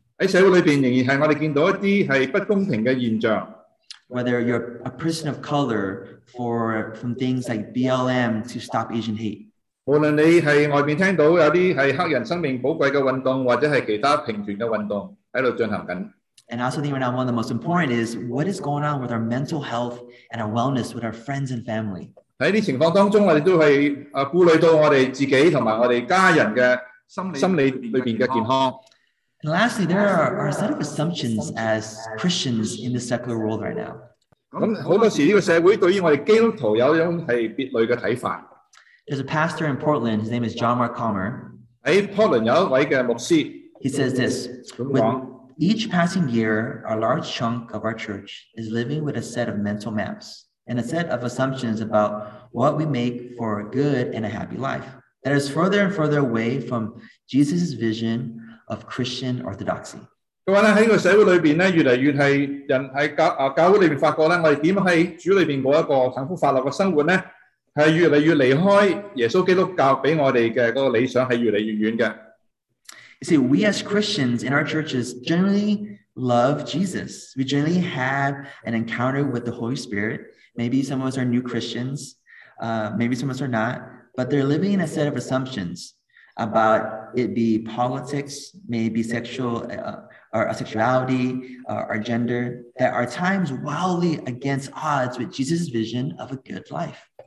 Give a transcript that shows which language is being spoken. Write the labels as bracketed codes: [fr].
[zh] 在社會裏面仍然是我們看到一些不公平的現象。 [en] Whether you're a person of color from things like BLM to stop Asian hate. [zh] 無論你在外面聽到有些是黑人生命寶貴的運動或者是其他平權的運動在進行。 [en] And also think right now, one of the most important is what is going on with our mental health and our wellness with our friends and family. [zh] 在这些情况当中，我们都是顾虑到我们自己和我们家人的心理里面的健康。 [en] And lastly, there are a set of assumptions as Christians in the secular world right now. [zh] 很多时候这个社会对于我们基督徒有一种是别类的看法。 [en] There's a pastor in Portland, his name is John Mark Comer. [zh] 在 Portland 有一位的牧师。 [en] He says this, with each passing year, a large chunk of our church is living with a set of mental maps and a set of assumptions about what we make for a good and a happy life that is further and further away from Jesus' vision of Christian orthodoxy. [zh] 他说呢，在这个社会里面呢，越来越是人在 教会里面发觉呢，我们怎么在主里面过一个幸福快乐的生活呢，是越来越离开耶稣基督教给我们的那个理想是越来越远的。 [en] See, we as Christians in our churches generally love Jesus. We generally have an encounter with the Holy Spirit. Maybe some of us are new Christians, maybe some of us are not, but they're living in a set of assumptions about it be politics, maybe sexual, or sexuality, or gender, that are at times wildly against odds with Jesus' vision of a good life.